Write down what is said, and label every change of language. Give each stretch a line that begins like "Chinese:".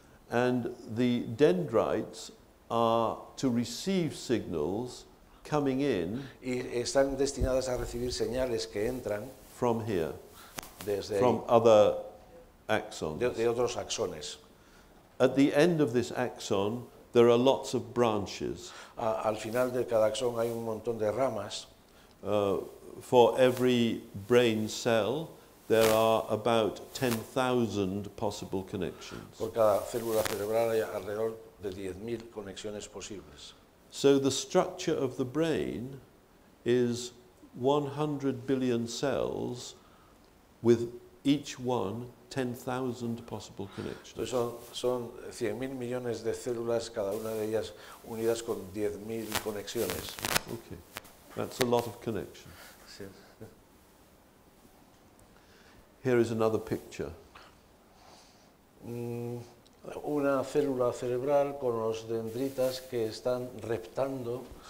English: And the dendrites are to receive signals coming in
Spanish: y están destinadas a recibir señales que entran
English: from here,
Spanish: desde
English: from
Spanish: ahí,
English: other axons.
Spanish: De otros axones.
English: At the end of this axon, there are lots of branches.
Spanish: Al final de cada axón hay un montón de ramas.
English: For every brain cell, there are about 10,000 possible connections.
Spanish: Por cada célula cerebral hay alrededor de 10,000 conexiones posibles.
English: So the structure of the brain is 100 billion cells with each one 10,000 possible connections.
Spanish: Entonces son 100,000 millones de células, cada una de ellas unidas con 10,000 conexiones.
English: Okay, that's a lot of connections.
Spanish: Sí.
English: Here is another picture.
Spanish: Una célula cerebral con los dendritas que están reptando